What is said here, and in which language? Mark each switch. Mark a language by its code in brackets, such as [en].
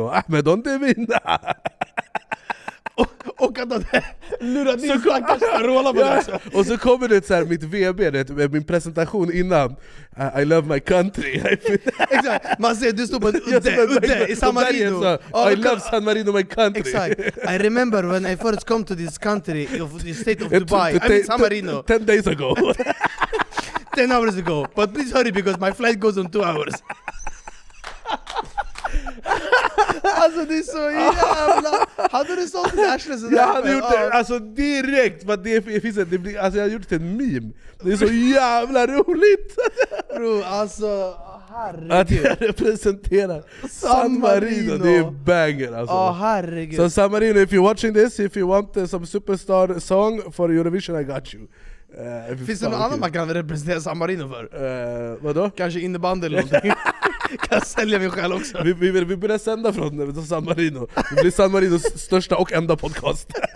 [en] Ah, men don't they win? [sv] Och att lura din stackars Carola på det. Och så kommer det så här, mitt VB, det, min presentation innan. [en] I love my country. [sv] Exakt. Man ser, du står på en udde i San Marino. Så, [en] oh, I love San Marino, my country. [sv] Exakt. [en] I remember when I first come to this country, of the state of Dubai, San Marino. 10 days ago. 10 hours ago. But please hurry because my flight goes on 2 hours. [sv] Alltså det är så jävla. Hade du sålt det där sådär? Jag hade gjort det alltså direkt. Jag har gjort det till en meme. Det är så jävla roligt. Bro, alltså herregud. Att jag representerar San Marino. Det är banger alltså. Oh, herregud. [en] Så San Marino, if you're watching this, if you want some superstar song for Eurovision, I got you. [sv] Finns det någon annan man kan representera San Marino för? Vadå? Kanske innebandy eller någonting. Kan sälja mig själv också. Vi börjar sända från San Marino. Det blir San Marinos största och enda podcast.